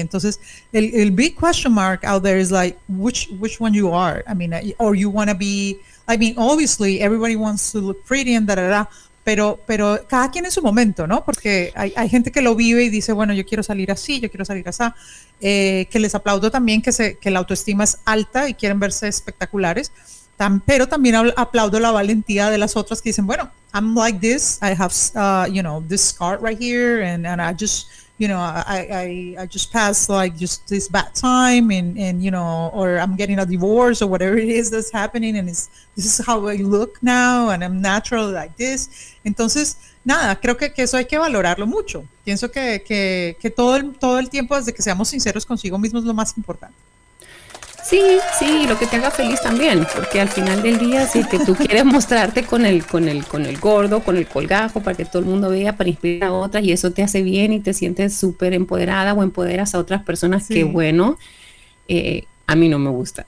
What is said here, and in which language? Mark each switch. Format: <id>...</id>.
<es>Entonces el</es> <en>big question mark out there is like which one you are. I mean, or you want to be, I mean, obviously everybody wants to look pretty and da da da.</en> <es>Pero cada quien en su momento, ¿no? Porque hay gente que lo vive y dice, bueno, yo quiero salir así, yo quiero salir así. Que les aplaudo también que la autoestima es alta y quieren verse espectaculares. Pero también aplaudo la valentía de las otras que dicen, bueno,</es> <en>I'm like this, I have, you know, this scar right here, and I just, you know, I just passed like just this bad time, and you know, or I'm getting a divorce or whatever it is that's happening, and it's this is how I look now, and I'm natural like this.</en> <es>Entonces, nada, creo que eso hay que valorarlo mucho. Pienso que todo el tiempo, desde que seamos sinceros consigo mismos, es lo más importante. Sí, lo que te haga feliz también, porque al final del día, si que tú quieres mostrarte con el gordo, con el colgajo, para que todo el mundo vea, para inspirar a otras, y eso te hace bien y te sientes súper empoderada o empoderas a otras personas, sí. Qué bueno, a mí no me gusta.</es>